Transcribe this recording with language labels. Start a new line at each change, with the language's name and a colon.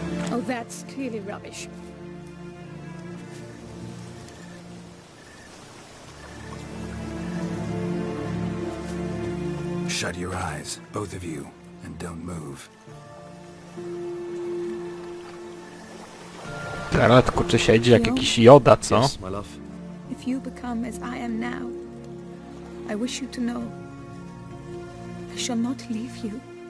English: Oh, that's clearly rubbish. Shut your eyes, both of you, and don't move.
Polish: Teraz kurczę siedzi jak jakiś Yoda, co?
English: Yes, my love. If you become as I am now, I wish you to know, I shall not leave you.